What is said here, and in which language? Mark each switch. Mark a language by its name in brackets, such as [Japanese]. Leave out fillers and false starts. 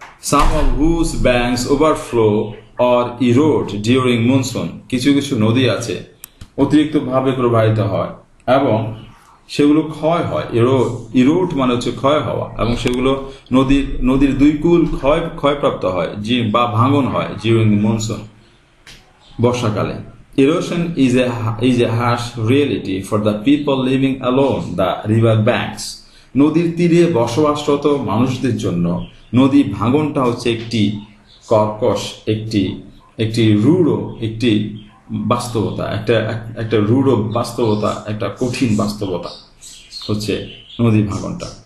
[English] some of whose banks overflow or erode during monsoon, [Bangla] কিছু কিছু নদী আছে অতিরিক্ত ভাবে প্রবাহিত হয় এবং সেগুলো ক্ষয় হয়, ইরোড মানে হচ্ছে ক্ষয় হওয়া, এবং সেগুলো নদীর দুই কূল ক্ষয়প্রাপ্ত হয় বা ভাঙন হয় ডিউরিং মনসুন বর্ষাকালে। [English] Erosion is a harsh reality for the people living along the river banks. [Bangla] নদীর তীরে বসবাসরত মানুষদের জন্য নদী ভাঙনটা হচ্ছে একটি কর্কশ, একটি একটি রূঢ় একটি বাস্তবতা, একটা একটা রূঢ় বাস্তবতা, একটা কঠিন বাস্তবতা হচ্ছে নদী ভাঙনটা।